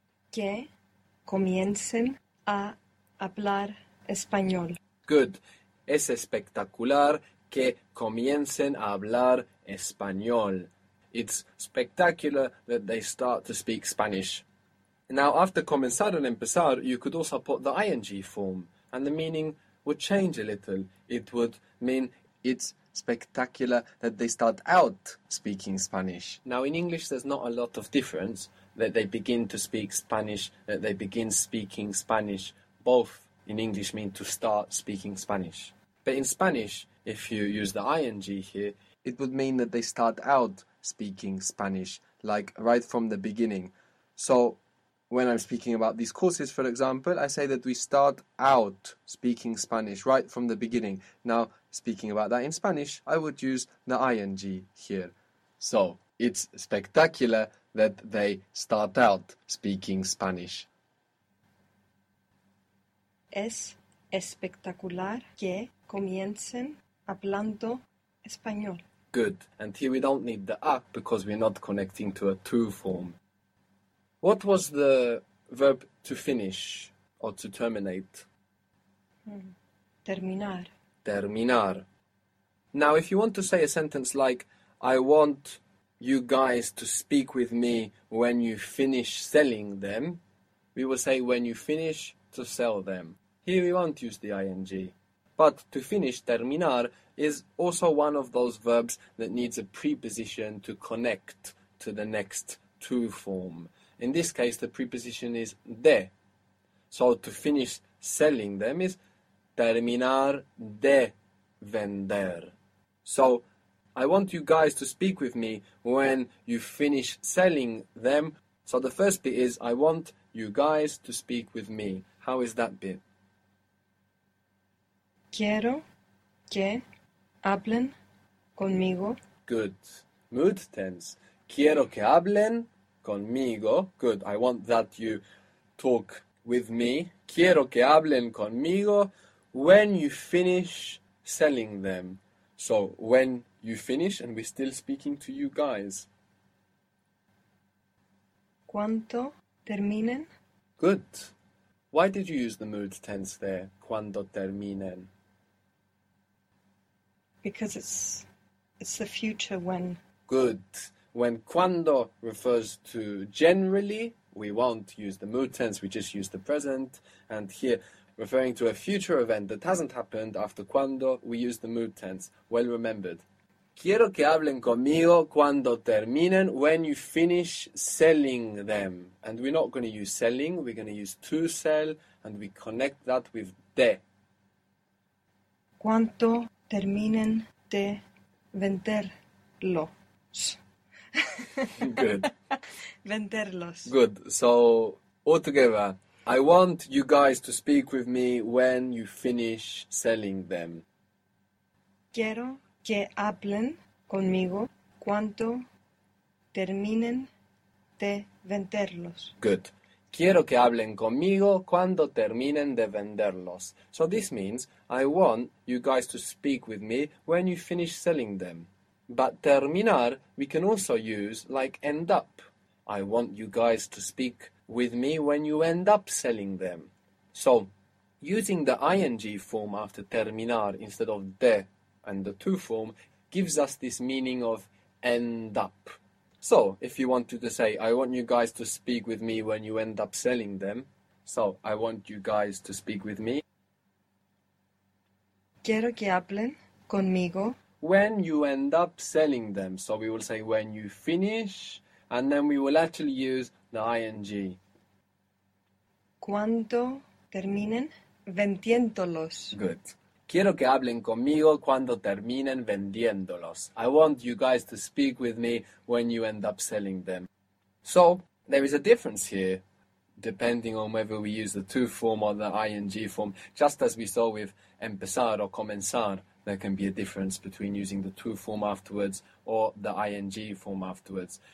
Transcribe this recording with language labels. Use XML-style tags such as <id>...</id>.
<es>Que comiencen a hablar español.</es> <en>Good.</en> <es>Es espectacular que comiencen a hablar español.</es> <en>It's spectacular that they start to speak Spanish. Now, after comenzar and empezar, you could also put the ing form, and the meaning would change a little. It would mean it's spectacular that they start out speaking Spanish. Now, in English, there's not a lot of difference that they begin to speak Spanish, that they begin speaking Spanish. Both in English mean to start speaking Spanish. But in Spanish, if you use the ing here, it would mean that they start out speaking Spanish, like right from the beginning. So, when I'm speaking about these courses, for example, I say that we start out speaking Spanish right from the beginning. Now, speaking about that in Spanish, I would use the ing here. So, it's spectacular that they start out speaking Spanish.</en> <es>Es espectacular que comiencen hablando español.</es> <en>Good. And here we don't need the a because we're not connecting to a to form. What was the verb to finish or to terminate?</en> <es>Terminar. Terminar.</es> <en>Now, if you want to say a sentence like, I want you guys to speak with me when you finish selling them, we will say when you finish to sell them. Here we won't use the ing. But to finish, terminar, is also one of those verbs that needs a preposition to connect to the next to form. In this case, the preposition is de. So to finish selling them is</en> <es>terminar de vender.</es> <en>So, I want you guys to speak with me when you finish selling them. So the first bit is, I want you guys to speak with me. How is that bit?</en> <es>Quiero que hablen conmigo.</es> <en>Good. Mood tense.</en> <es>Quiero que hablen conmigo.</es> <en>Good. I want that you talk with me.</en> <es>Quiero que hablen conmigo</es> <en>when you finish selling them. So, when you finish and we're still speaking to you guys.</en> <es>¿Cuánto terminen?</es> <en>Good. Why did you use the mood tense there?</en> <es>¿Cuándo terminen?</es> <en>Because it's the future when. Good. When cuando refers to generally, we won't use the mood tense, we just use the present. And here, referring to a future event that hasn't happened, after cuando, we use the mood tense. Well remembered.</en> <es>Quiero que hablen conmigo cuando terminen,</es> <en>when you finish selling them. And we're not going to use selling, we're going to use to sell, and we connect that with de.</en> <es>¿Cuánto terminen de venderlos?</es> <en>Good.</en> <es>Venderlos.</es> <en>Good. So, all together, I want you guys to speak with me when you finish selling them.</en> <es>Quiero que hablen conmigo cuando terminen de venderlos.</es> <en>Good.</en> <es>Quiero que hablen conmigo cuando terminen de venderlos.</es> <en>So this means, I want you guys to speak with me when you finish selling them. But terminar, we can also use like end up. I want you guys to speak with me when you end up selling them. So, using the ing form after terminar instead of de and the to form gives us this meaning of end up. So, if you wanted to say, I want you guys to speak with me when you end up selling them. So, I want you guys to speak with me.</en> <es>Quiero que hablen conmigo.</es> <en>When you end up selling them. So, we will say, when you finish. And then we will actually use the ing.</en> <es>Cuando terminen vendiéndolos.</es> <en>Good.</en> <es>Quiero que hablen conmigo cuando terminen vendiéndolos.</es> <en>I want you guys to speak with me when you end up selling them. So, there is a difference here, depending on whether we use the to form or the ing form. Just as we saw with empezar or comenzar, there can be a difference between using the to form afterwards or the ing form afterwards.</en>